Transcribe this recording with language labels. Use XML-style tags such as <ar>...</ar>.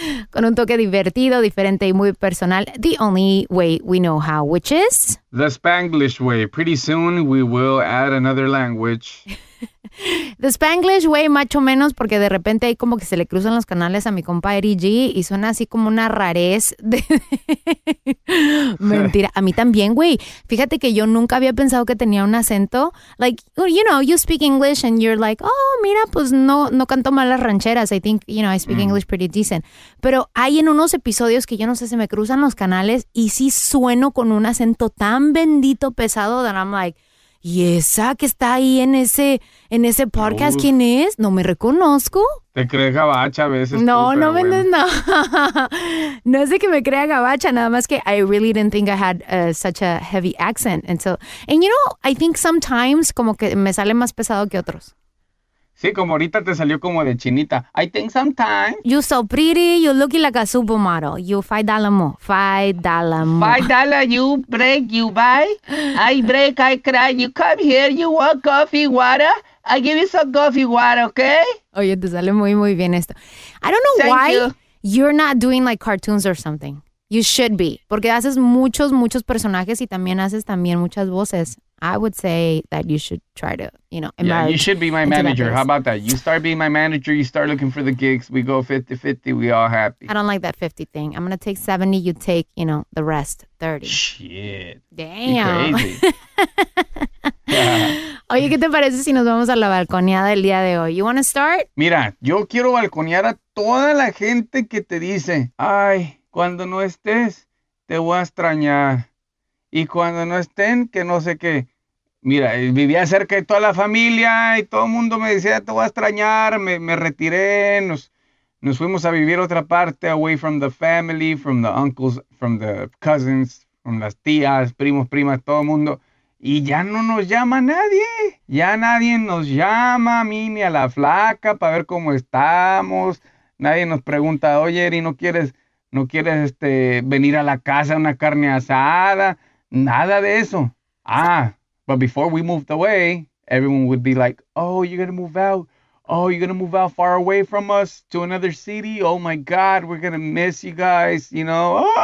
<es>Con un toque divertido, diferente y muy personal.</es> <en>The only way we know how, which is... The Spanglish way. Pretty soon we will add another language. The Spanglish way,</en> <es>macho menos, porque de repente ahí como que se le cruzan los canales a mi compa Eddie G y suena así como una rarez de... Mentira, a mí también, güey. Fíjate que yo nunca había pensado que tenía un acento.</es> <en>Like, you know, you speak English and you're like,</en> <es>oh, mira, pues no canto mal las rancheras.</es> <en>I think, you know, I speak English pretty decent.</en> <es>Pero hay en unos episodios que yo no sé, se me cruzan los canales y sí sueno con un acento tan bendito pesado</es> <en>that I'm like,</en> <es>¿y esa que está ahí en ese podcast? Uf. ¿Quién es? No me reconozco. Te crees gabacha a veces. No, tú, no bueno. Vendes, no. No es de que me crea gabacha, nada más que</es> <en>I really didn't think I had such a heavy accent. And you know, I think sometimes</en> <es>como que me sale más pesado que otros. Sí, como ahorita te salió como de chinita.</es> <en>I think sometimes. You're so pretty, you're looking like a supermodel. You $5 more. $5, you break, you buy. I break, I cry. You come here, you want coffee, water. I give you some coffee, water, okay?</en> <es>Oye, te sale muy, muy bien esto.</es> <en>I don't know Thank you. You're not doing like cartoons or something. You should be.</en> <es>Porque haces muchos, muchos personajes y también haces también muchas voces.</es> <en>I would say that you should try to, you know, emerge. Yeah, you should be my manager. How about that? You start being my manager, you start looking for the gigs, we go 50-50, we all happy. I don't like that 50 thing. I'm going to take 70, you take, you know, the rest, 30. Shit. Damn. Yeah.</en> <es>Oye, ¿qué te parece si nos vamos a la balconeada el día de hoy?</es> <en>You want to start?</en> <es>Mira, yo quiero balconear a toda la gente que te dice, ay, cuando no estés, te voy a extrañar. Y cuando no estén, que no sé qué. Mira, vivía cerca de toda la familia y todo el mundo me decía, te voy a extrañar. Me retiré, nos fuimos a vivir otra parte,</es> <en>away from the family, from the uncles, from the cousins,</en> <es>from las tías, primos, primas, todo el mundo. Y ya no nos llama nadie. Ya nadie nos llama a mí ni a la flaca para ver cómo estamos. Nadie nos pregunta, oye, Eri, ¿no quieres venir a la casa a una carne asada? Nada de eso.</es> <en>Ah, but before we moved away, everyone would be like, oh, you're going to move out. Oh, you're going to move out far away from us to another city. Oh, my God, we're going to miss you guys, you know.</en>